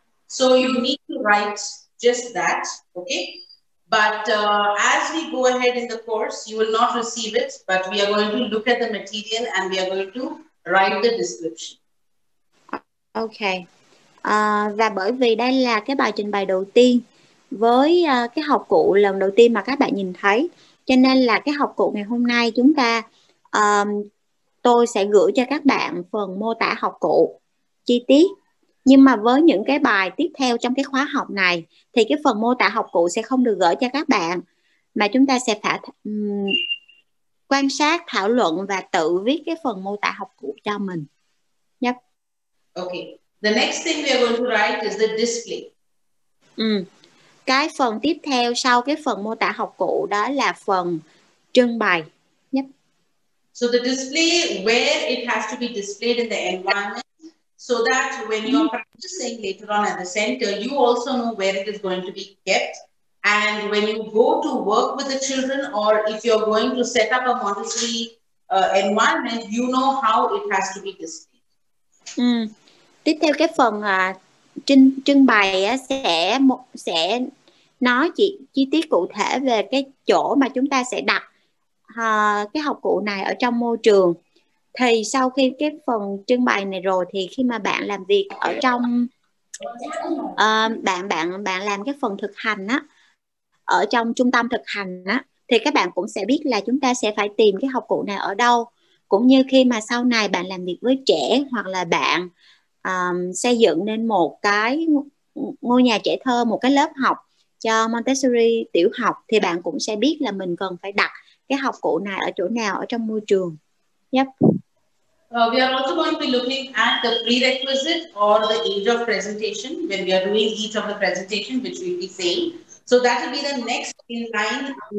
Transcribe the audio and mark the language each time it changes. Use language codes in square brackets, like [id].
[en] So you need to write just that, okay? But as we go ahead in the course, you will not receive it, but we are going to look at the material and we are going to write the description. Okay. [vi] Và bởi vì đây là cái bài trình bày đầu tiên với cái học cụ lần đầu tiên mà các bạn nhìn thấy, cho nên là cái học cụ ngày hôm nay chúng ta tôi sẽ gửi cho các bạn phần mô tả học cụ chi tiết. Nhưng mà với những cái bài tiếp theo trong cái khóa học này thì cái phần mô tả học cụ sẽ không được gửi cho các bạn, mà chúng ta sẽ phải quan sát, thảo luận và tự viết cái phần mô tả học cụ cho mình. [en] Yep. Okay. The next thing we are going to write is the display. [vi] Cái phần tiếp theo sau cái phần mô tả học cụ đó là phần trưng bày. [en] So the display, where it has to be displayed in the environment, so that when you are practicing later on at the center, you also know where it is going to be kept. And when you go to work with the children, or if you are going to set up a Montessori environment, you know how it has to be displayed. [vi] Tiếp theo cái phần trưng bày sẽ nói chi tiết cụ thể về cái chỗ mà chúng ta sẽ đặt cái học cụ này ở trong môi trường. Thì sau khi cái phần trưng bày này rồi thì khi mà bạn làm việc ở trong bạn bạn bạn làm cái phần thực hành á, ở trong trung tâm thực hành á, thì các bạn cũng sẽ biết là chúng ta sẽ phải tìm cái học cụ này ở đâu, cũng như khi mà sau này bạn làm việc với trẻ hoặc là bạn xây dựng nên một cái ngôi nhà trẻ thơ, một cái lớp học, cho Montessori tiểu học thì bạn cũng sẽ biết là mình cần phải đặt cái học cụ này ở chỗ nào ở trong môi trường. [en] Yep. We are also going to be looking at the prerequisite or the age of presentation when we are doing each of the presentation, which we'll be saying. So that will be the next in line.